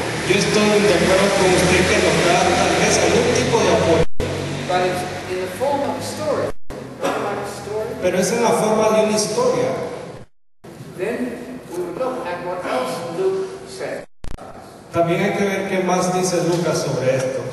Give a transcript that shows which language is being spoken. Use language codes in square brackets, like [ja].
[es] Yo estoy de acuerdo con usted que nos da tal vez algún tipo de apoyo. [en] But it's in the form of a story, not like a story. [es] Pero es en la forma de una historia. [en] Then we look at what else Luke said. [es] También hay que ver qué más dice Lucas sobre esto.